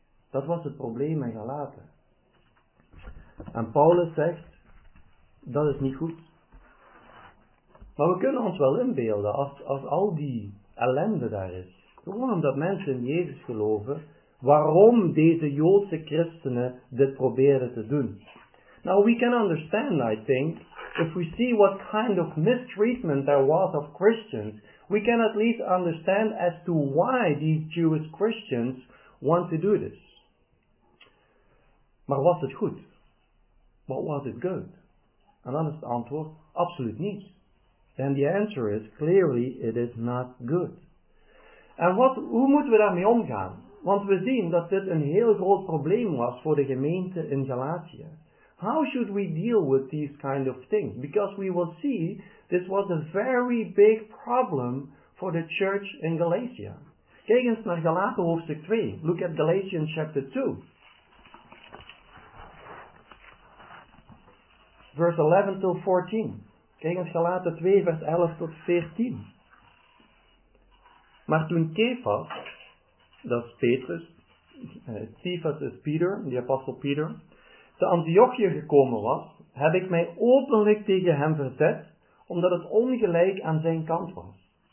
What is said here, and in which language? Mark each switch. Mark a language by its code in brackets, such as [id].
[nl] Dat was het probleem in Galaten. En Paulus zegt, dat is niet goed. Maar we kunnen ons wel inbeelden, als al die ellende daar is, gewoon omdat mensen in Jezus geloven, waarom deze Joodse christenen dit proberen te doen. [en] Now we can understand, I think, if we see what kind of mistreatment there was of Christians, we can at least understand as to why these Jewish Christians want to do this. [nl] Maar was het goed? [en] But was it good? [nl] En dan is het antwoord, absoluut niet. [en] And the answer is, clearly, it is not good. [nl] En hoe moeten we daarmee omgaan? Want we zien dat dit een heel groot probleem was voor de gemeente in Galatië. [en] How should we deal with these kind of things? Because we will see this was a very big problem for the church in Galatia. [nl] Kijk eens naar Galaten hoofdstuk 2. [en] Look at Galatians chapter 2. Verse 11 to 14. [nl] Kijk eens Galaten 2 vers 11 tot 14. Maar toen Kefas, dat is Petrus, [en] Cephas is Peter, [nl] de apostel Peter, te Antiochië gekomen was, heb ik mij openlijk tegen hem verzet, omdat het ongelijk aan zijn kant was.